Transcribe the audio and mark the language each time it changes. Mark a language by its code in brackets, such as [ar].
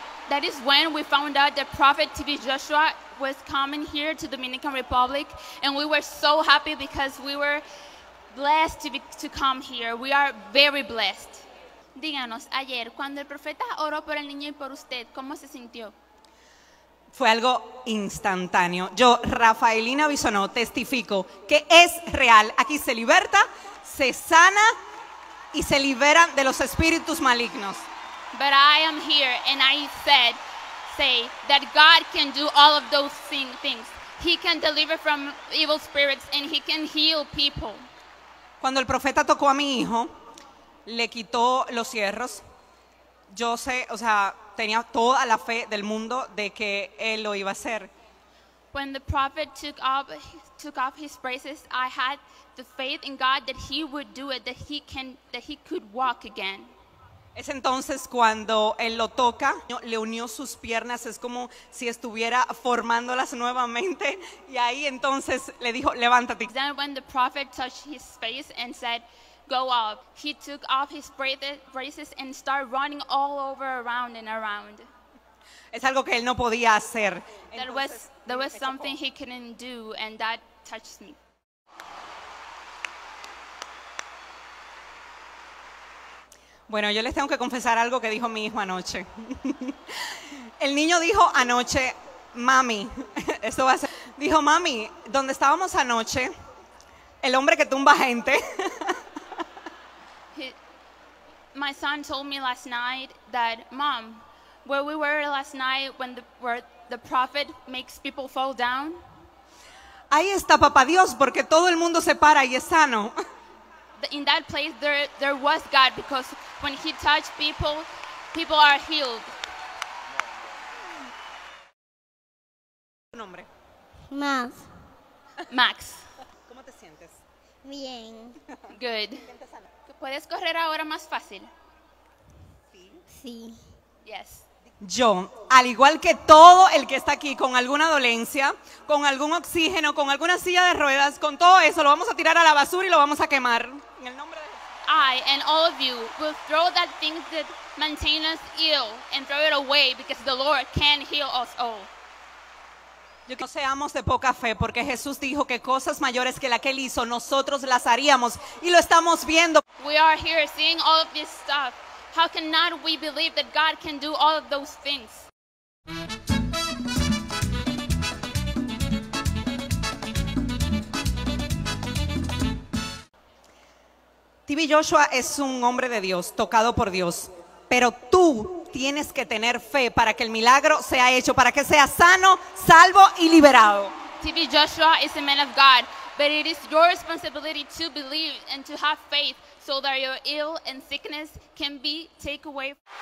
[en] That is when we found out that Prophet TV Joshua was coming here to Dominican Republic, and we were so happy because we were blessed to come here. We are very blessed. [es] Díganos, ayer, cuando el profeta oró por el niño y por usted, ¿cómo se sintió? Fue algo instantáneo. Yo, Rafaelina Bisonó, testifico que es real. Aquí se liberta, se sana y se liberan de los espíritus malignos. [en] But I am here and I say that God can do all of those things. He can deliver from evil spirits and he can heal people. [es] Cuando el profeta tocó a mi hijo, le quitó los cierros. Yo sé, o sea, tenía toda la fe del mundo de que él lo iba a hacer. [en] When the prophet took off his braces, I had the faith in God that he would do it, that he could walk again. [es] Es entonces cuando él lo toca, le unió sus piernas, es como si estuviera formándolas nuevamente, y ahí entonces le dijo, levántate. [en] Then when the prophet touched his face and said, go up. He took off his braces and started running all over around and around. [es] Es algo que él no podía hacer. [en] There was something he couldn't do, and that touched me. [es] Bueno, yo les tengo que confesar algo que dijo mi hijo anoche. El niño dijo anoche, mami, esto va a ser. Dijo, mami, donde estábamos anoche, el hombre que tumba gente. [en] My son told me last night that, mom, where we were last night when the prophet makes people fall down. [es] Ahí está Papá Dios porque todo el mundo se para y es sano. [en] In that place there was God because when he touched people are healed. [es] ¿Tu nombre? Max. Max. ¿Cómo te sientes? Bien. [en] Good. [es] ¿Puedes correr ahora más fácil? Sí. [en] Yes. [es] Yo, al igual que todo el que está aquí con alguna dolencia, con algún oxígeno, con alguna silla de ruedas, con todo eso, lo vamos a tirar a la basura y lo vamos a quemar. En el nombre de Jesús. [en] I and all of you will throw that thing that maintains us ill and throw it away because the Lord can heal us all. [es] Yo que no seamos de poca fe, porque Jesús dijo que cosas mayores que la que Él hizo, nosotros las haríamos, y lo estamos viendo. [en] We are here seeing all of this stuff. How cannot we believe that God can do all of those things? [es] TV Joshua es un hombre de Dios, tocado por Dios, pero tú tienes que tener fe para que el milagro sea hecho, para que sea sano, salvo y liberado. [en] TV Joshua is a man of God, but it is your responsibility to believe and to have faith so that your ill and sickness can be taken away.